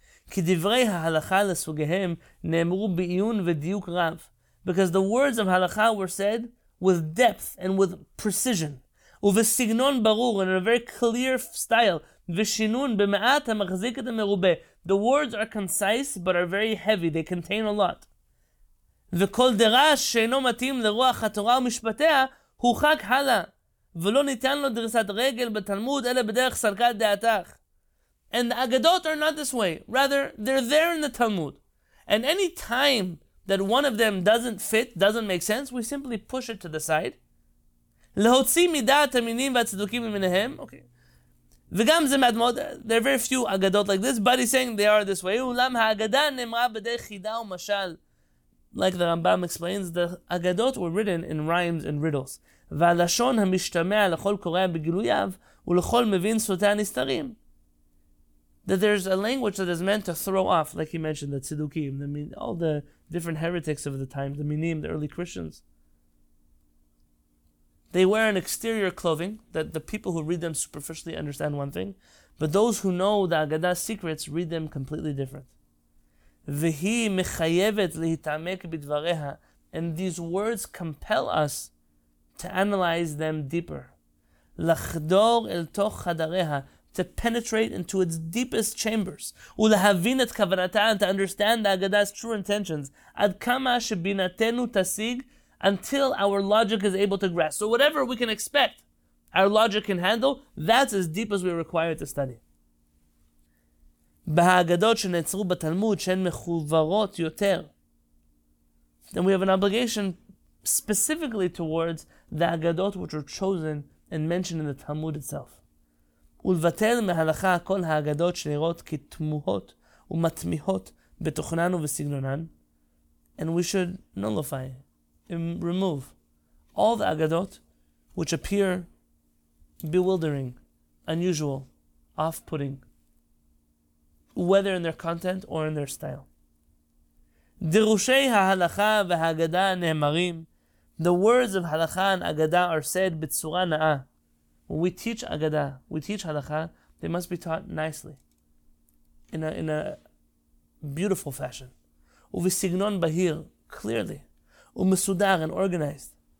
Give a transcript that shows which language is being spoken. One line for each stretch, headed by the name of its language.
Hebrew: כי דברי ההלכה לסוגיהם נאמרו בעיון ודיוק רב,
English: because the words of ההלכה were said with depth and with precision,
Hebrew: ובסגנון ברור
English: and in a very clear style,
Hebrew: ושינון במעט המחזיק את המרובה.
English: The words are concise but are very heavy. They contain a lot.
Hebrew: וכל דרש שאינו מתאים לרוח התורה ומשפטיה הוא חק הלאה, ולא ניתן לו דריסת רגל בתלמוד אלא בדרך סלקת דעתך.
English: And the agadot are not this way. Rather, they're there in the Talmud. And any time that one of them doesn't fit, doesn't make sense, we simply push it to the side.
Hebrew: להוציא מדעת המינים והצדוקים ממניהם.
English: Okay.
Hebrew: וגם זה מהדמות,
English: there are very few agadot like this, but he's saying they are this way.
Hebrew: אולם האגדה נאמרה בדרך חידה ומשל.
English: Like the Rambam explains, the agadot were written in rhymes and riddles.
Hebrew: והלשון המשתמע לכל קוראה בגילויו ולכל מבין סוטה הנסתרים.
English: That there's a language that is meant to throw off, like he mentioned, the tzidukim, all the different heretics of the time, the minim, the early Christians. They wear an exterior clothing that the people who read them superficially understand one thing, but those who know the Agadah's secrets read them completely different.
Hebrew: V'hi mechayevet lehitamek bidvareha,
English: and these words compel us to analyze them deeper.
Hebrew: Lachdor el toch chadareha,
English: to penetrate into its deepest chambers.
Hebrew: Ulehavin et kavanata,
English: to understand the Agadah's true intentions.
Hebrew: Ad kama shebinatenu tasig,
English: until our logic is able to grasp. So whatever we can expect, our logic can handle, that's as deep as we are required to study.
Hebrew: בהאגדות שנעצרו בתלמוד שהן מחוברות יותר.
English: Then we have an obligation specifically towards the agadot which were chosen and mentioned in the Talmud itself.
Hebrew: ולבטל מהלכה כל האגדות שנראות כתמוהות ומתמיהות בתוכנן ובסגנונן.
English: And we should nullify and remove all the agadot which appear bewildering, unusual, off-putting, whether in their content or in their style.
Hebrew: דירושי ההלכה והאגדה נאמרים,
English: the words of halakha and agada are said
Hebrew: בצורה נאה.
English: When we teach agada, we teach halakha, they must be taught nicely, in a beautiful fashion.
Hebrew: וסגנון בהיר,
English: clearly,
Hebrew: ומסודר
English: and organized.